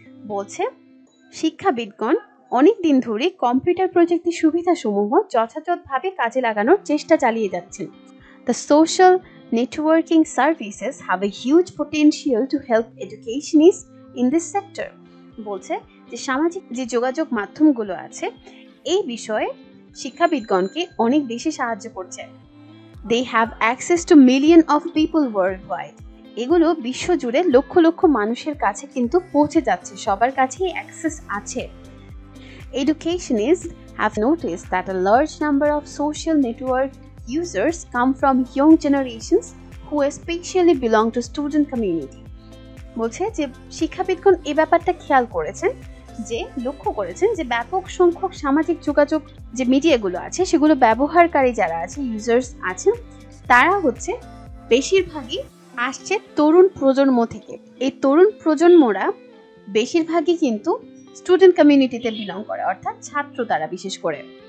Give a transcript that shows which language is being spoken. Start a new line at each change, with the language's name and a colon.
Bangla: বলছে শিক্ষাবিদগণ অনেক দিন ধরে কম্পিউটার প্রযুক্তির সুবিধাসমূহ যথাযথভাবে কাজে লাগানোর চেষ্টা চালিয়ে যাচ্ছেন
English: The social networking services have a huge potential to help educationists in this sector.
Bangla: বলছে যে সামাজিক যে যোগাযোগ মাধ্যমগুলো আছে এই বিষয়ে শিক্ষাবিদগণকে অনেক বেশি সাহায্য করছে
English: They have access to millions of people worldwide.
Bangla: এগুলো বিশ্বজুড়ে লক্ষ লক্ষ মানুষের কাছে কিন্তু পৌঁছে যাচ্ছে সবার কাছেই অ্যাক্সেস আছে
English: Educationists have noticed that a large number of social network users come from young generations who especially belong to student community.
Bangla: বলছে যে শিক্ষাবিদগণ এই ব্যাপারটা খেয়াল করেছেন যে লক্ষ্য করেছেন যে ব্যাপক সংখ্যক সামাজিক যোগাযোগ যে মিডিয়াগুলো আছে সেগুলো ব্যবহারকারী যারা আছে ইউজার্স আছে তারা হচ্ছে বেশিরভাগই আসছে তরুণ প্রজন্ম থেকে এই তরুণ প্রজন্মরা বেশিরভাগই কিন্তু স্টুডেন্ট কমিউনিটিতে বিলং করে অর্থাৎ ছাত্র তারা বিশেষ করে